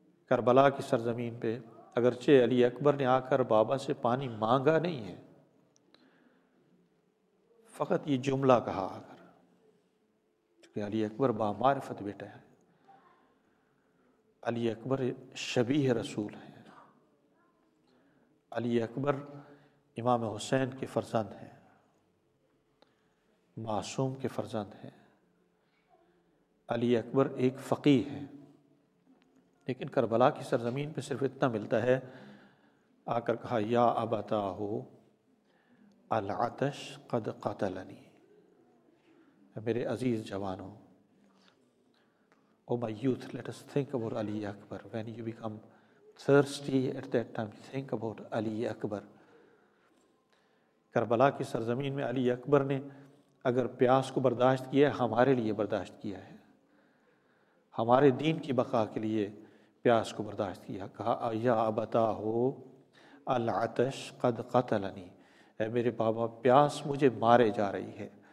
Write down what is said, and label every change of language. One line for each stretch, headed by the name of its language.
Urdu: کربلا کی سرزمین پہ اگرچہ علی اکبر نے آ کر بابا سے پانی مانگا نہیں ہے، فقط یہ جملہ کہا آ کر، چونکہ علی اکبر با معرفت بیٹا ہے، علی اکبر شبیہ رسول ہے، علی اکبر امام حسین کے فرزند ہیں، معصوم کے فرزند ہیں، علی اکبر ایک فقیہ ہیں. لیکن کربلا کی سرزمین پہ صرف اتنا ملتا ہے، آ کر کہا
Arabic: یا ابتاہو العطش قد قتلنی،
Urdu: میرے عزیز جوانوں
English: Oh, my youth, let us think about Ali Akbar. When you become thirsty at that time, think about Ali Akbar.
Urdu: Karbala کی سرزمین میں علی اکبر نے اگر پیاس کو برداشت کیا ہے, ہمارے لیے برداشت کیا ہے, ہمارے دین کی بقا کے لیے پیاس کو برداشت کیا. کہا
Arabic: یا ابتا ہو العطش قد قتلنی,
Urdu: اے میرے بابا پیاس مجھے مارے جا رہی ہے.